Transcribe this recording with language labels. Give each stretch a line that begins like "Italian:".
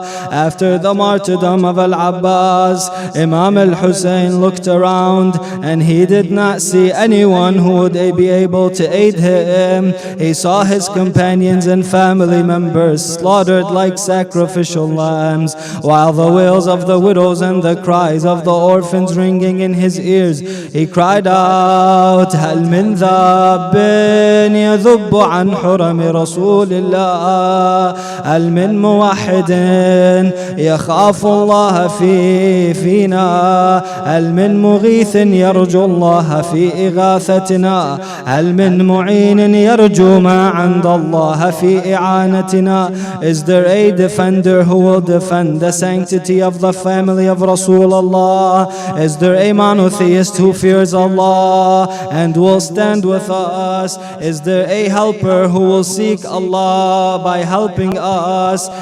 English: After the martyrdom of Al-Abbas, Imam al-Hussein looked around and he did not see anyone who would be able to aid him. He saw his companions and family members slaughtered like sacrificial lambs, while the wails of the widows and the cries of the orphans ringing in his ears. He cried out,
Arabic: هَلْ مِنْ ذَابٍ يَذُبُّ عَنْ حُرَمِ رَسُولِ اللَّهِ هَلْ مِنْ مُوَحِّدٍ يَخَافُ اللَّهَ فِينَا هَلْ مِنْ مُغِيثٍ يَرْجُ يرجو الله في إغاثتنا هل من معين يرجو ما عند الله في إعانتنا.
English: Is there a defender who will defend the sanctity of the family of Rasulullah? Is there a monotheist who fears Allah and will stand with us? Is there a helper who will seek Allah by helping us?